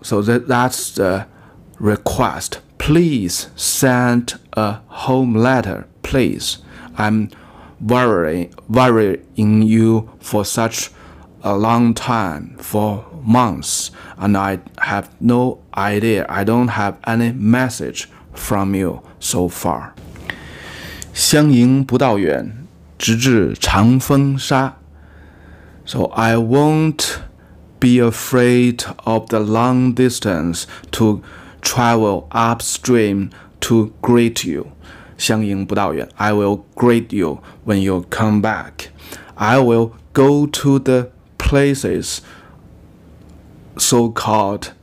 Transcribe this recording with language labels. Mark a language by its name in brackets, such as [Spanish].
[English] So that's the request. Please send a home letter, please. I'm worrying you for such a long time, for months, and I have no idea. I don't have any message from you so far. [Chinese] 相迎不到远，直至长风沙 [English] So I won'tbe afraid of the long distance to travel upstream to greet you. [Chinese] 相迎不到远. [English] I will greet you when you come back. I will go to the places so-called